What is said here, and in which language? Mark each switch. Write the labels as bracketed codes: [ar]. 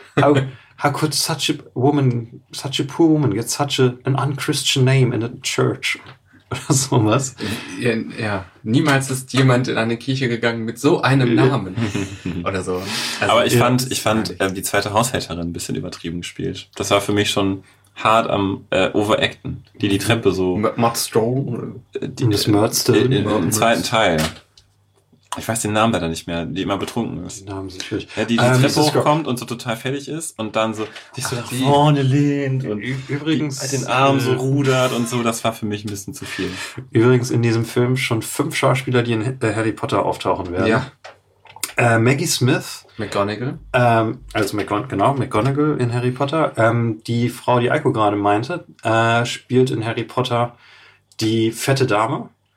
[en] How could such a poor woman get such an unchristian name in a church? [de] Oder sowas. Ja, niemals ist jemand in eine Kirche gegangen mit so einem Namen. Oder so. Also, aber ich fand die zweite Haushälterin ein bisschen übertrieben gespielt. Das war für mich schon hart am overacten. Die Treppe so. Matt Stone? Das Mörzte. Im zweiten Teil. Ich weiß den Namen leider nicht mehr, die immer betrunken ist. Die Namen sind schwierig. Ja, die Treppe hochkommt und so total fertig ist und dann so sich so nach vorne lehnt und übrigens den Arm so rudert und so. Das war für mich ein bisschen zu viel. Übrigens in diesem Film schon 5 Schauspieler, die in Harry Potter auftauchen werden. Ja. Maggie Smith. McGonagall. McGonagall in Harry Potter. Die Frau, die Eiko gerade meinte, spielt in Harry Potter die fette Dame.